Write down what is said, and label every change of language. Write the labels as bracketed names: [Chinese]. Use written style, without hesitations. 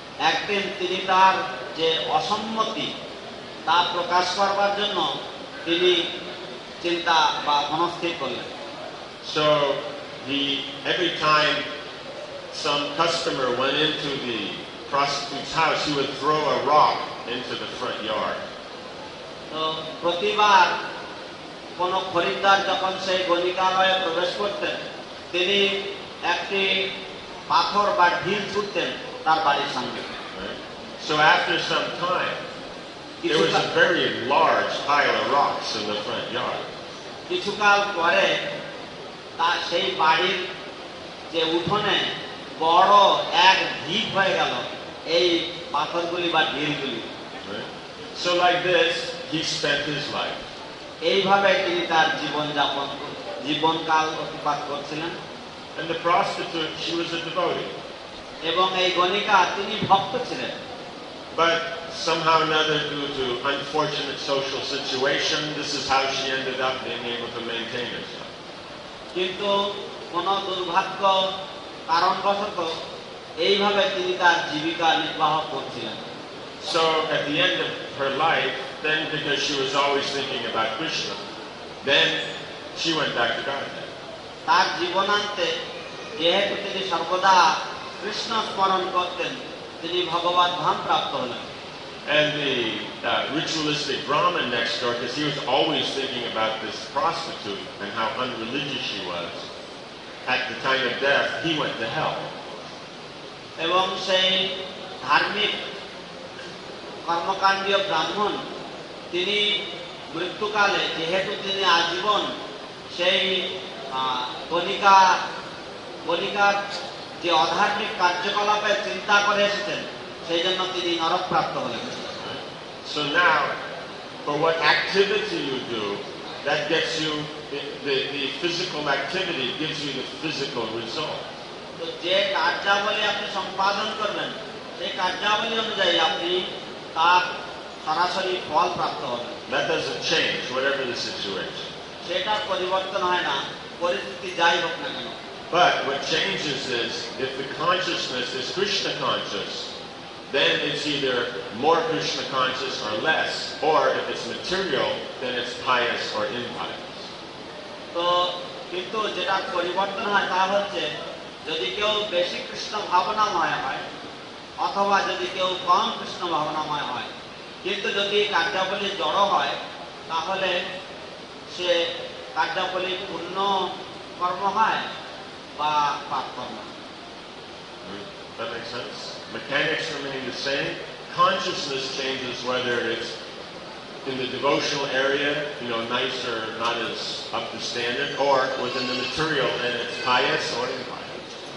[Bangla] একদিন তিনি তার যে অসম্মতি তা প্রকাশ করবার জন্য তিনি চিন্তা বা মনস্থির করলেন. [English] So he every time some customer went into the prostitute's house, he would throw a rock into the front yard. [Bangla] So, প্রতিবার কোন খরিদ্দার যখন সেই গণিকালয়ে প্রবেশ করতেন তিনি একটি পাথর বা ঢিল ছুটতেন তার বাড়ির সামনে। [English] So after some time, there was a very large pile of rocks in the front yard. [Bangla] কিছুকাল পরে তা সেই বাড়ির যে উঠোনে বড় এক ঢিপ হয়ে গেল এই পাথরগুলি বা ঢিলগুলি। [English] So like this, he spent his life. [Bangla] এইভাবে তিনি তার জীবন যাপন জীবনকাল অতিপাত করছিলেন। [English] And the prostitute, she was a devotee. [Bangla] এবং এই গণিকা তিনি ভক্ত ছিলেন। [English] But somehow or another, due to unfortunate social situation, this is how she ended up being able to maintain herself. [Bangla] কিন্তু কোন দুর্ভাগ্য কারণবশত এইভাবে তিনি তার জীবিকা নির্বাহ করছিলেন। [English] So at the end of her life, then because she was always thinking about Krishna, then she went back to Godhead. [Bangla] তার জীবনান্তে যেহেতু তিনি সর্বদা কৃষ্ণ স্মরণ করতেন তিনি ভগবান ধাম প্রাপ্ত হলেন। [English] And the ritualistic Brahmin next door, because he was always thinking about this prostitute and how unreligious she was, at the time of death, he went to hell. [Bangla] এবং সেই ধার্মিক কর্মকাণ্ডীয় ব্রাহ্মণ তিনি মৃত্যুকালে যেহেতু তিনি আজীবন সেই কণিকার যে অধার্মিক কার্যকলাপে চিন্তা করে এসেছেন সেই জন্য তিনি নরক প্রাপ্ত হলেন। [English] So now, for what activity you do, that gets you, the physical activity gives you the physical result. [Bangla] তো যে কার্যাবলী আপনি সম্পাদন করবেন সেই কার্যাবলী অনুযায়ী আপনি তার সরাসরি ফল প্রাপ্ত হবেন। [English] That doesn't change, whatever the situation. [Bangla] সেটা পরিবর্তন হয় না পরিস্থিতি যাই হোক না কেন। [English] But what changes is, if the consciousness is Krishna conscious, then it's either more Krishna conscious or less, or if it's material, then it's pious or impious. [Bangla] So, কিন্তু যেটা পরিবর্তন হয় তা হচ্ছে যদি কেউ বেশি কৃষ্ণ ভাবনাময় হয় অথবা যদি কেউ কম কৃষ্ণ ভাবনাময় হয়। কিন্তু যদি কার্যাবলী জড় হয় তাহলে সে কার্যাবলী পূর্ণ কর্ম হয় বা পাপ কর্ম। [English] That makes sense. Mechanics remain the same. Consciousness changes whether it's in the devotional area, you know, nice or not as up to standard, or within the material, and it's pious or impious.